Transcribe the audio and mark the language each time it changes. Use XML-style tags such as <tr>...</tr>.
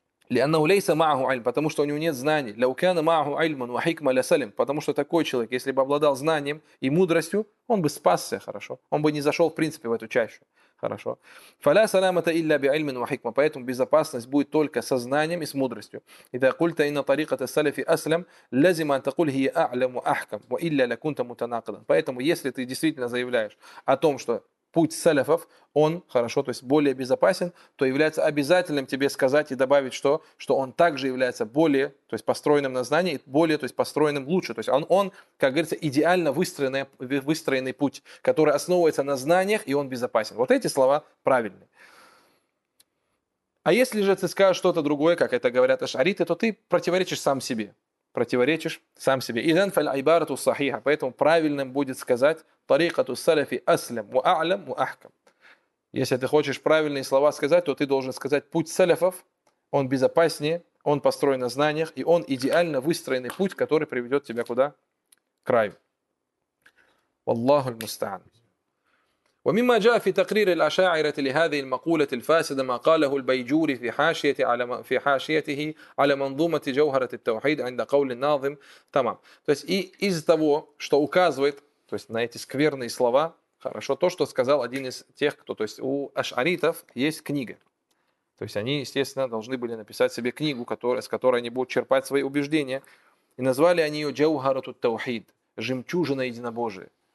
<ar>لأنه ليس معه علم,</ar> <ru>потому что у него нет знаний.</ru> <ar>لو كان معه علم وحكمة لسلم,</ar> <ru>потому что такой человек, если бы обладал знанием и мудростью, он бы спасся, хорошо. Он бы не зашел в принципе в эту чащу, хорошо.</ru> <ar>فلا سلامة إلا بعلم وحكمة,</ar> <ru>поэтому безопасность будет только со знанием и с мудростью.</ru> <ar>إذا قلت إن طريقة السلف أسلم, لازم أن تقول هي أعلم وأحكم وإلا لكنت متناقضا.</ar> <ru>Поэтому если ты действительно заявляешь о том, что путь салафов, он, хорошо, то есть более безопасен, то является обязательным тебе сказать и добавить, что он также является более, то есть построенным на знании, более, то есть построенным лучше. То есть он, как говорится, идеально выстроенный путь, который основывается на знаниях, и он безопасен. Вот эти слова правильные. А если же ты скажешь что-то другое, как это говорят ашариты, то ты противоречишь сам себе.</ru> <ar>Идан фаль айбарату сахиха.</ar> <ru>Поэтому правильным будет сказать</ru> <ar>тарикату саляфи аслям ва а'лям ва ахкам.</ar> <ru>Если ты хочешь правильные слова сказать, то ты должен сказать, путь салифов, он безопаснее, он построен на знаниях, и он идеально выстроенный путь, который приведет тебя куда? К раю. Валлаху аль-мустаан.</ru> <ar>ومما جاء في تقرير الأشاعرة لهذه المقولة الفاسدة ما قاله البيجوري في حاشيته على منظومة جوهرة التوحيد عند قول الناظم تمام.</ar> <ru>То есть и из того, что указывает, то есть на эти скверные слова, хорошо, то, что сказал один из тех, кто, то есть у ашаритов есть книга. То есть они, естественно, должны были написать себе книгу, которая, с которой они будут черпать свои убеждения. И назвали они ее جوهرة التوحيد, жемчужина единобожия.</ru>